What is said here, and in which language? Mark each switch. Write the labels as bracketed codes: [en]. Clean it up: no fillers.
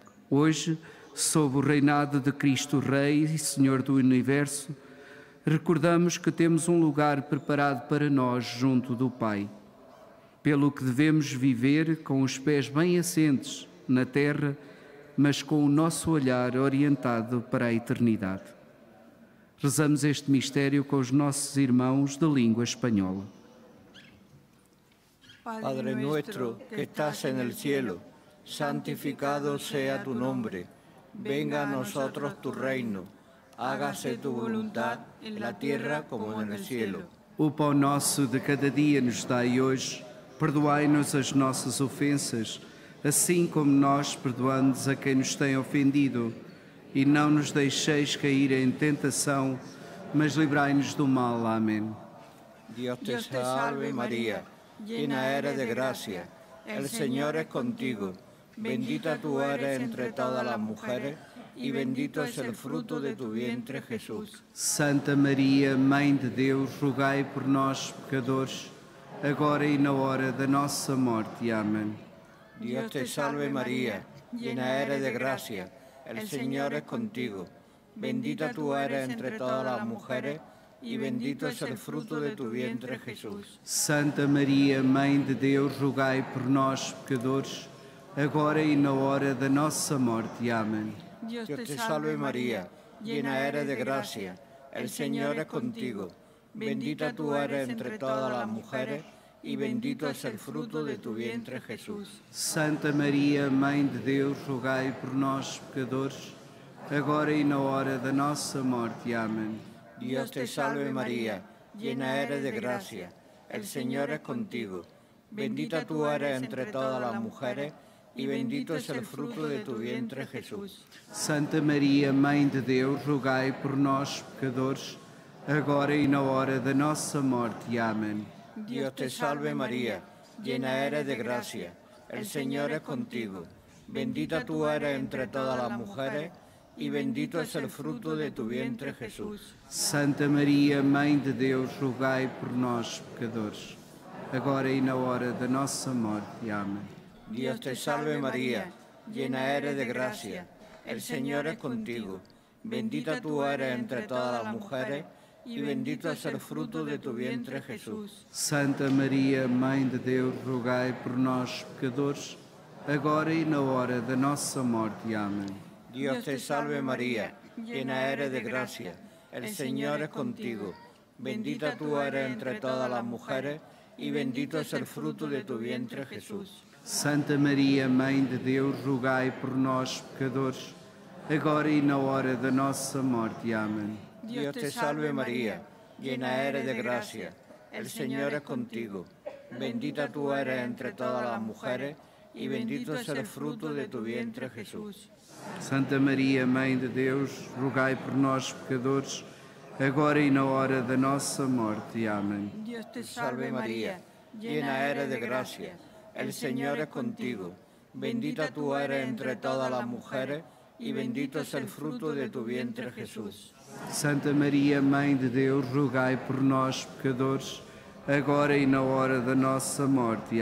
[pt] Hoje, sob o reinado de Cristo Rei e Senhor do Universo, recordamos que temos um lugar preparado para nós junto do Pai, pelo que devemos viver com os pés bem assentes na terra, mas com o nosso olhar orientado para a eternidade. Rezamos este mistério com os nossos irmãos de língua espanhola. [es] Padre nuestro que estás en el cielo, santificado sea tu nombre. Venga a nosotros tu reino. Hágase tu voluntad en la tierra como en el cielo. [pt] O pão nosso de cada dia nos dai hoje. Perdoai-nos as nossas ofensas, assim como nós perdoamos a quem nos tem ofendido. E não nos deixeis cair em tentação, mas livrai-nos do mal. Amém. Deus te salve, Maria, [es] llena eres de gracia. El Señor es contigo. Bendita tú eres entre todas las mujeres y bendito es el fruto de tu vientre, Jesús. [pt] Santa Maria, Mãe de Deus, rogai por nós, pecadores, agora e na hora da nossa morte. Amém. Deus te salve, Maria, [es] llena eres de gracia. El Señor es contigo. Bendita tú eres entre todas las mujeres y bendito es el fruto de tu vientre, Jesús. [pt] Santa Maria, Mãe de Deus, rogai por nós, pecadores, agora e na hora da nossa morte. Amém. Deus te salve, Maria, [es] llena eres de gracia. El Señor es contigo. Bendita tú eres entre todas las mujeres y bendito es el fruto de tu vientre, Jesús. [pt] Santa Maria, Mãe de Deus, rogai por nós, pecadores, agora e na hora da nossa morte. Amém. [es] Dios te salve, María, llena eres de gracia. El Señor es contigo. Bendita tú eres entre todas las mujeres y bendito es el fruto de tu vientre, Jesús. [pt] Santa Maria, Mãe de Deus, rogai por nós, pecadores, agora e na hora da nossa morte. Amém. [es] Dios te salve, María, llena eres de gracia. El Señor es contigo. Bendita tú eres entre todas las mujeres y bendito es el fruto de tu vientre, Jesús. [pt] Santa Maria, Mãe de Deus, rogai por nós, pecadores, agora e na hora da nossa morte. Amém. [es] Dios te salve, María, llena eres de gracia. El Señor es contigo. Bendita tú eres entre todas las mujeres y bendito es el fruto de tu vientre, Jesús. [pt] Santa Maria, Mãe de Deus, rogai por nós, pecadores, agora e na hora da nossa morte. Amém. [es] Dios te salve, María, llena eres de gracia. El Señor es contigo. Bendita tú eres entre todas las mujeres y bendito es el fruto de tu vientre, Jesús. [pt] Santa Maria, Mãe de Deus, rogai por nós, pecadores, agora e na hora da nossa morte. Amém. [es] Dios te salve, María, llena eres de gracia. El Señor es contigo. Bendita tú eres entre todas las mujeres y bendito es el fruto de tu vientre, Jesús. [pt] Santa Maria, Mãe de Deus, rogai por nós, pecadores, agora e na hora da nossa morte. Amém. Deus te salve, Maria, [es] llena eres de gracia. El Señor es contigo. Bendita tú eres entre todas las mujeres y bendito es el fruto de tu vientre, Jesús. [pt] Santa Maria, Mãe de Deus, rogai por nós, pecadores, agora e na hora da nossa morte.